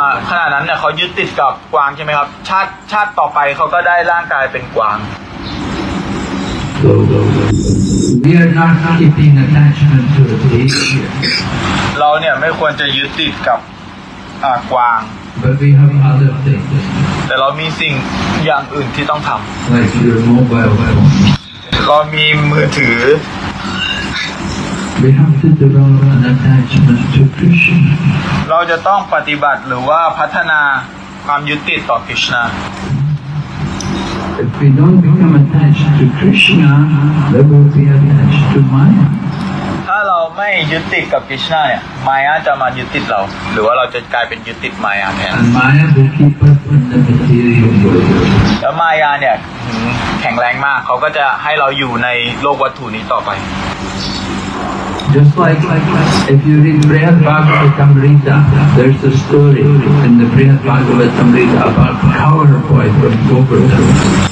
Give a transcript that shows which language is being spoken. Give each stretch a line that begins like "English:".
Thai: ขณะนั้นเนี่ยเขายึดติดกับกวางใช่ไหมครับชาติต่อไปเขาก็ได้ร่างกายเป็นกวาง
English: We are not keeping attachment to the deer.
Thai: เราเนี่ยไม่ควรจะยึดติดกับกวาง
English: But we have other things.
Thai: แต่เรามีสิ่งอย่างอื่นที่ต้องทำ
English: Like your mobile phone.
Thai: เรามีมือถือ
English: We have to develop an attachment to Krishna.
Thai: เราจะต้องปฏิบัติหรือว่าพัฒนาความยึดติดต่อ Krishna.
English: If we don't become attached to Krishna, we will be attached to Maya.
Thai: ถ้าเราไม่ยึดติดกับ Krishna, Maya จะมายึดติดเราหรือว่าเราจะกลายเป็นยึดติด Maya แทน
English: And Maya will keep us in the material world.
Thai: แล้ว Maya เนี่ยแข็งแรงมากเขาก็จะให้เราอยู่ในโลกวัตถุนี้ต่อไป
English: Just like if you read Brihad Bhagavatamrita, there's a story in the Brihad Bhagavatamrita about Cowher Boy from Govardhan.